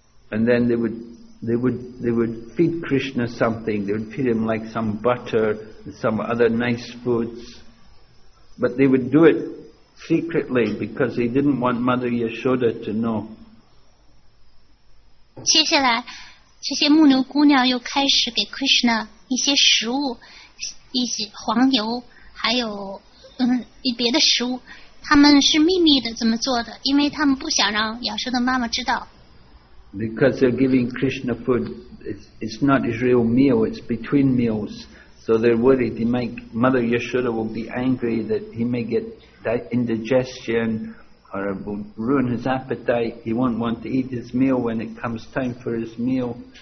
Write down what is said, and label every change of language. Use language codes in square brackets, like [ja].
[en] And then they would feed Krishna something. They would feed him like some butter and some other nice foods. But they would do it secretly because they didn't want Mother Yashoda to know. [zh] 接下来，这些牧牛姑娘又开始给 Krishna 一些食物，一些黄油，还有别的食物。他们是秘密的这么做的，因为他们不想让亚瑟的妈妈知道。 [en] Because they're giving Krishna food. It's not his real meal, it's between meals. So they're worried he might, Mother Yashoda will be angry that he may get that indigestion or it will ruin his appetite. He won't want to eat his meal when it comes time for his meal.